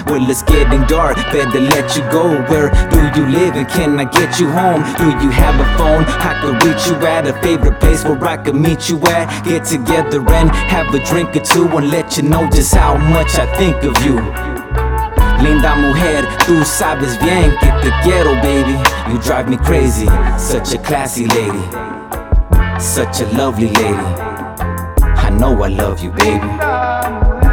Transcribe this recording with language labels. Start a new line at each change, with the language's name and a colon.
English: Well, it's getting dark, better let you go. Where do you live and can I get you home? Do you have a phone? I could reach you at a favorite place where I could meet you at. Get together and have a drink or two and let you know just how much I think of you.
Spanish: Linda mujer, tú sabes bien que te quiero, baby.
English: You drive me crazy, such a classy lady, such a lovely lady. I know I love you, baby.